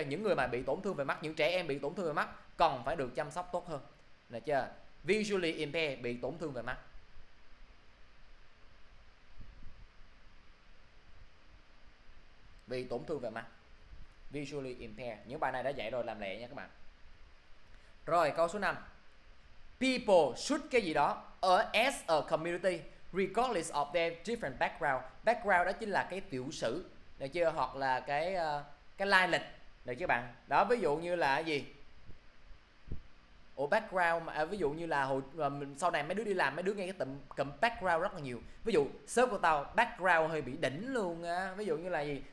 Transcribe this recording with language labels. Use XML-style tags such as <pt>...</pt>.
<vi>Những người mà bị tổn thương về mắt, những trẻ em bị tổn thương về mắt cần phải được chăm sóc tốt hơn. Được chưa? Visually impaired bị tổn thương về mắt. Bị tổn thương về mắt. Visually impaired. Những bài này đã dạy rồi, làm lẹ nha các bạn. Rồi, câu số 5.</vi> <en>People should</en> <vi>cái gì đó ở</vi> <en>as a community regardless of their different background.</en> <vi>Background đó chính là cái tiểu sử, được chưa? Hoặc là cái lai lịch, được chưa bạn? Đó, ví dụ như là gì? Ủa, background mà, ví dụ như là hồi sau này mấy đứa đi làm, mấy đứa nghe cái cầm background rất là nhiều. Ví dụ sếp của tao background hơi bị đỉnh luôn á. Ví dụ như là gì?</vi>